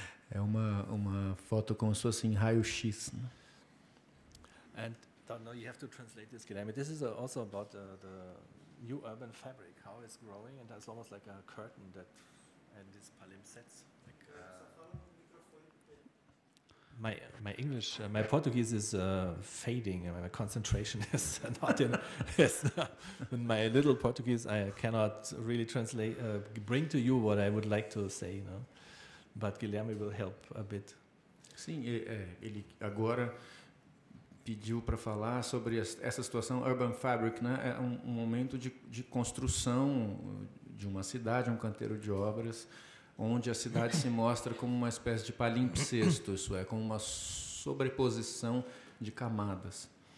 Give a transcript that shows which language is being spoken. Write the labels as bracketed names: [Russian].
[Portuguese] É uma foto como se fosse em raio-x, né? [English] And now you have to translate this, Guilherme. This is also about the new urban fabric, how it's growing, and it's almost like a curtain that, and this palimpsest. My Portuguese is fading, and my concentration is not in. In my little Portuguese, I cannot really translate, bring to you what I would like to say, you know. But Guilherme will help a bit. [Portuguese] Sim, ele agora pediu para falar sobre essa situação urban fabric, né? É um momento de construção de uma cidade, um canteiro de obras, onde a cidade se mostra como uma espécie de palimpsesto, isso é, como uma sobreposição de camadas.